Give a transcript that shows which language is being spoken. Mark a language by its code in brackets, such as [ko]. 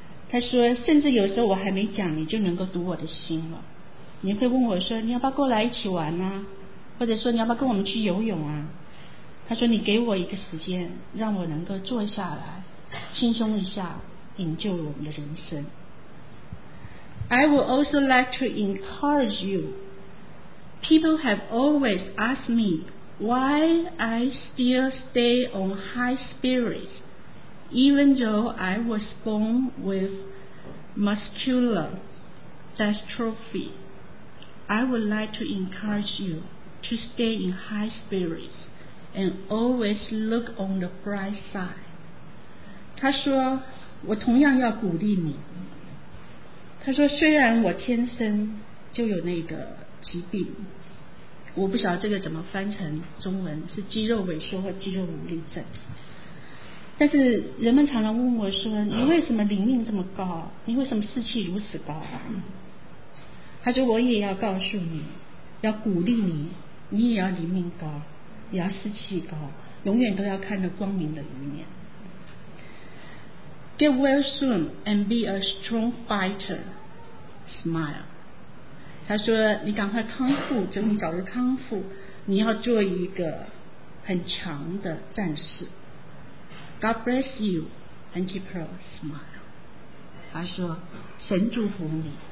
[zh] 他说甚至有时候我还没讲你就能够读我的心了。你会问我说你要不要过来一起玩啊，或者说你要不要跟我们去游泳啊。他说你给我一个时间让我能够坐下来轻松一下，营救我们的人生。 [en] I would also like to encourage you. People have always asked me why I still stay on high spirits even though I was born with muscular dystrophy. I would like to encourage you to stay in high spiritsAnd always look on the bright side. [zh] 他说我同样要鼓励你，他说虽然我天生就有那个疾病，我不晓得这个怎么翻成中文，是肌肉萎缩或肌肉无力症，但是人们常常问我说你为什么灵命这么高，你为什么士气如此高。他说我也要告诉你，要鼓励你，你也要灵命高，也要士气高，永远都要看着光明的一面。 [en] Get well soon and be a strong fighter. Smile. [zh] 他说你赶快康复，等你早日康复，你要做一个很强的战士。 [en] God bless you, Antipas. Smile. [zh] 他说神祝福你。